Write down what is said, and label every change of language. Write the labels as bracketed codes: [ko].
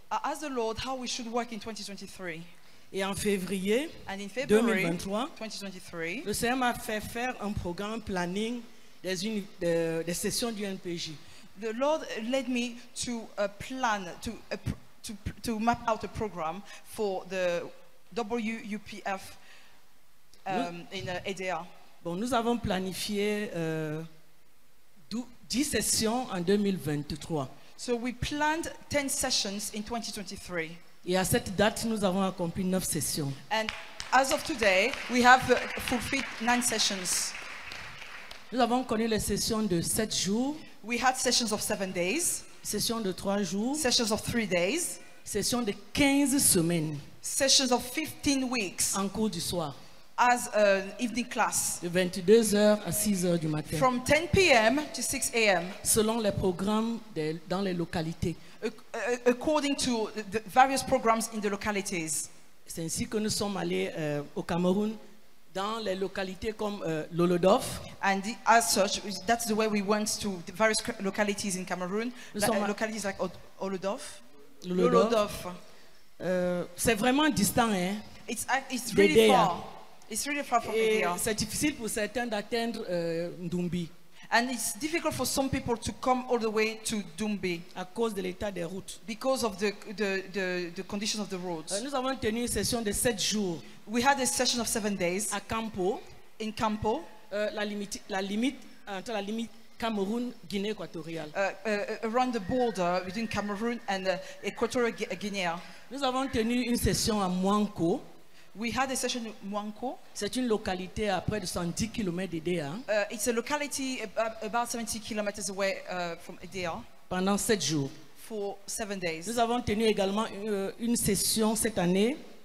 [en] I asked the Lord how we should work in 2023. [fr] Et en février [en] and in February, [fr] 2023, le Seigneur m'a fait faire un programme planning des sessions du NPJ. [en] The Lord led me to plan to map out a program for the WUPF EDA. [fr] Bon, nous avons planifié 10 sessions en 2023. [en] So we planned 10 sessions in 2023. [fr] Et à cette date, nous avons accompli 9 sessions. [en] And as of today, we have fulfilled 9 sessions. [fr] Nous avons connu les sessions de 7 jours. [en] We had sessions of 7 days. [fr] Sessions de 3 jours. [en] Sessions of 3 days. [fr] Sessions de 15 semaines. [en] Sessions of 15 weeks. [fr] En cours du soir. [en] As an evening class. [fr] De 22h à 6h du matin. [en] From 10 p.m. to 6 a.m. [fr] Selon les programmes dans les localités. [en] According to the various programs in the localities. [fr] C'est ainsi que nous sommes allés au Cameroun dans les localités comme Lolodof. [en] And as such, that's the way we went to the various localities in Cameroon. Localities like Olodof. [fr] Lolodof. C'est vraiment distant, hein? [en] It's really far. It's really far from here. [fr] C'est difficile pour certains d'atteindre Ndoumbi. [en] And it's difficult for some people to come all the way to Ndoumbi. [fr] À cause de l'état des routes. [en] Because of the condition of the roads. [fr] Nous avons tenu une session de 7 jours. [en] We had a session of 7 days. [fr] À Campo. [en] In Campo. [fr] La limite Cameroun-Guinée équatoriale. [en] Around the border between Cameroon and Equatorial Guinea. [fr] Nous avons tenu une session à Mwanko. [en] We had a session in Mwanko. [fr] C'est une localité à près de 70 km de Déa. [en] It's a locality about 70 kilometers away from Déa. [fr] Pendant 7 jours. [en] For 7 days. [fr] Nous avons tenu également une session cette année.